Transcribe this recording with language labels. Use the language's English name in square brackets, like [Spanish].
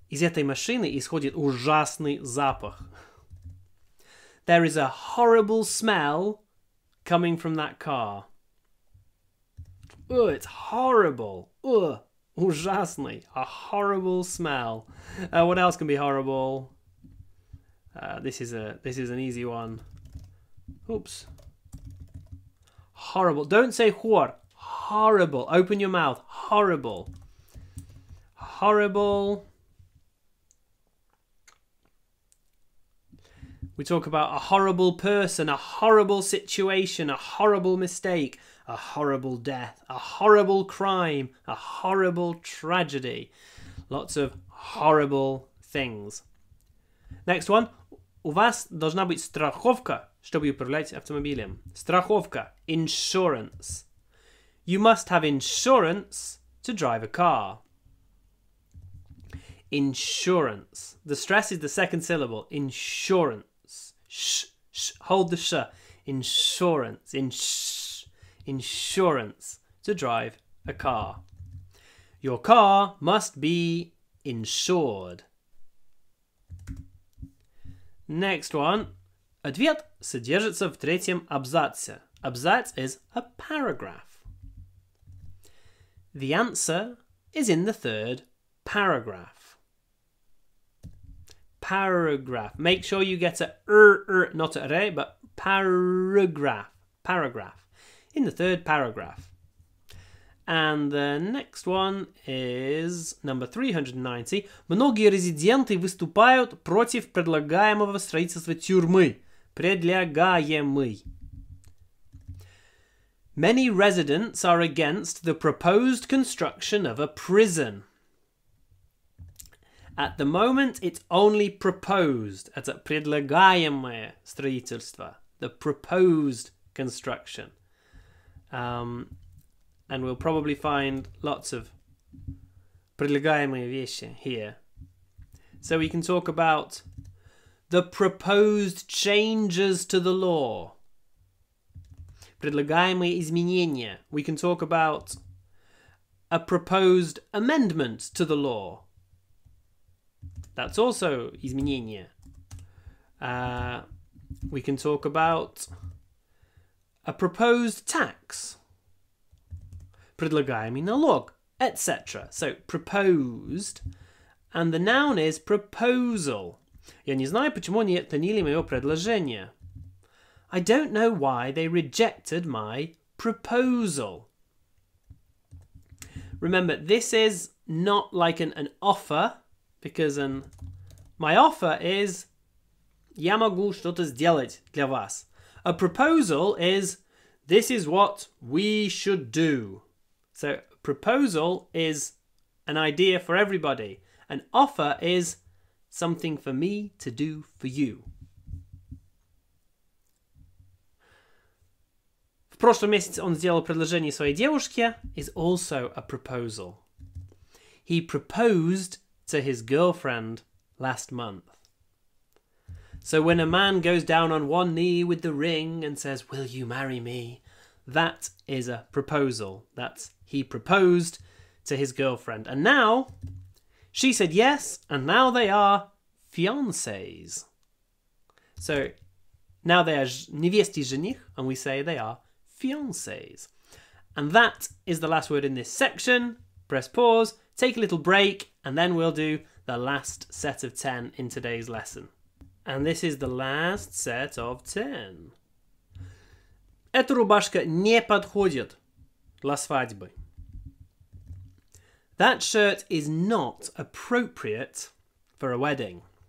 [Russian] Из этой машины исходит ужасный запах. [English] There is a horrible smell coming from that car. Oh, it's horrible. Oh, ужасный. A horrible smell. What else can be horrible? This is an easy one. Oops. Horrible. Don't say what. Horrible. Open your mouth. Horrible. Horrible. We talk about a horrible person, a horrible situation, a horrible mistake, a horrible death, a horrible crime, a horrible tragedy. Lots of horrible things. Next one. [Russian] У вас должна быть страховка, чтобы управлять автомобилем. Страховка. Insurance. [English] You must have insurance to drive a car. Insurance. The stress is the second syllable. Insurance. Sh, sh, hold the sh. Insurance. Insurance to drive a car. Your car must be insured. Next one. [Russian] Ответ содержится в третьем абзаце. [English] Абзац is a paragraph. The answer is in the third paragraph. Paragraph. Make sure you get not a re, but paragraph. Paragraph. In the third paragraph. And the next one is number 390. [Russian] Многие резиденты выступают против предлагаемого строительства тюрьмы. Предлагаемый. [English] Many residents are against the proposed construction of a prison. At the moment, it's only proposed. [Russian] Это предлагаемое строительство. [English] The proposed construction. And we'll probably find lots of [Russian] предлагаемые вещи [English] here. So we can talk about the proposed changes to the law. [Russian] Предлагаемые изменения. [English] We can talk about a proposed amendment to the law. That's also изменение. We can talk about a proposed tax. [Russian] Предлагаемый налог, etc. [English] So, proposed. And the noun is proposal. [Russian] Я не знаю, почему они отклонили моё предложение. [English] I don't know why they rejected my proposal. Remember, this is not like an offer, because an... My offer is, [Russian] я могу что-то сделать для вас. [English] A proposal is, this is what we should do. So, proposal is an idea for everybody. An offer is something for me to do for you. [Russian] В прошлом месяце он сделал предложение своей девушке. [English] Is also a proposal. He proposed to his girlfriend last month. So when a man goes down on one knee with the ring and says, will you marry me? That is a proposal. That's he proposed to his girlfriend. And now she said yes, and now they are fiancés. So now they are [Russian] невесты жених, [English] and we say they are fiancés. And that is the last word in this section. Press pause, take a little break, and then we'll do the last set of 10 in today's lesson. And this is the last set of 10. [Russian] Эта рубашка не подходит для свадьбы. [English] That shirt is not appropriate for a wedding.